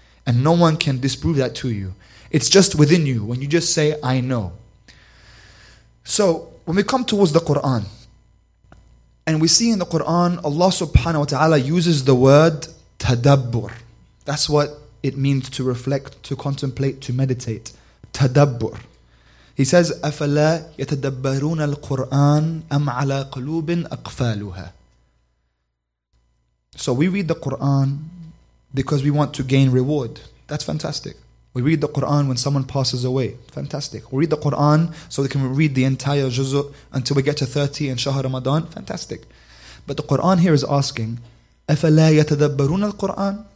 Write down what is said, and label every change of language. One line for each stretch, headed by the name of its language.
English: And no one can disprove that to you. It's just within you when you just say, I know. So when we come towards the Quran, and we see in the Quran, Allah subhanahu wa ta'ala uses the word tadabbur. That's what it means to reflect, to contemplate, to meditate. Tadabbur.
Arabic: He says, أَفَلَا يَتَدَبَّرُونَ الْقُرْآنَ أَمْ عَلَىٰ قُلُوبٍ أَقْفَالُهَا.
English: So we read the Quran because we want to gain reward. That's fantastic. We read the Quran when someone passes away. Fantastic. We read the Quran so we can read the entire juzu until we get to 30 in Shahar Ramadan. Fantastic. But the Quran here is asking,
Arabic: أَفَلَا يَتَدَبَّرُونَ الْقُرْآنَ.